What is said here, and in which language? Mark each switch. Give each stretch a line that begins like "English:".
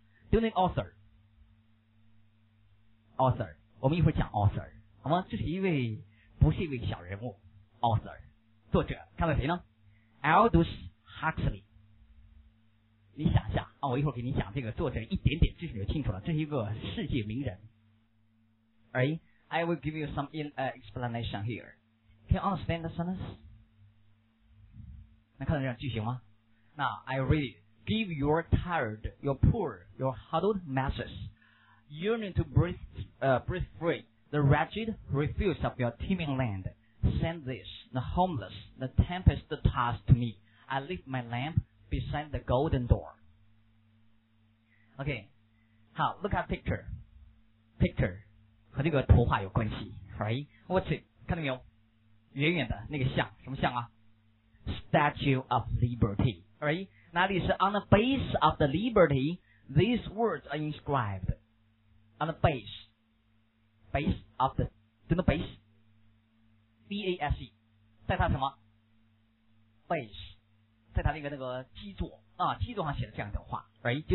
Chinese: During author， 我们一会儿讲 author， 好吗？这是一位不是一位小人物 ，author， 作者，看到谁呢？ Aldous Huxley。你想想啊，我一会儿给你讲这个作者一点点知识就清楚了，这是一个世界名人。
English: Right? I will give you some explanation here. Can you understand the sentence?
Chinese: 那看到这句型吗？
English: 那 I read it. Give your tired, your poor, your huddled masses yearning to breathe free the wretched refuse of your teeming land. Send this, the homeless, the tempest tossed to me. I lift my lamp beside the golden door. Okay, 好 look at picture.
Chinese: Picture 和这个图画有关系 right?
English: What's it? 看到没有？
Chinese: 远远的那个像，什么像啊？
English: Statue of Liberty. Right? 那里是 on the base of the Liberty, these words are inscribed. On the base. Base of the, do you know base? B-A-S-E
Chinese: 在他什么 base 在他那个基座啊，基座上写的这样的话 right?